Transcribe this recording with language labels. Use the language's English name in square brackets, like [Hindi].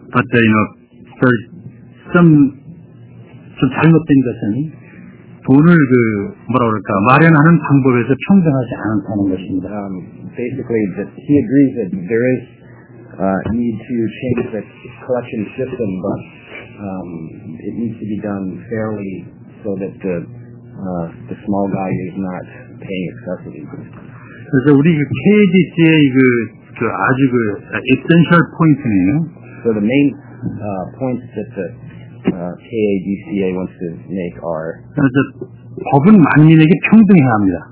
[English] For some [Korean] 잘못된 것은 돈을 그 뭐라 그럴까 마련하는 방법에서 평등하지 않다는 것입니다. [English] Basically, he agrees that there is need to change the collection system, but it needs to be done fairly so that the small guy is not paying excessively. [Korean] 그래서 우리 그 KDC의 그 아주 그 [English] essential point [Korean] 는요. [English] So the main points that the KADCA wants to make are. [Korean] 그래서 법은 만민에게 평등해야 합니다.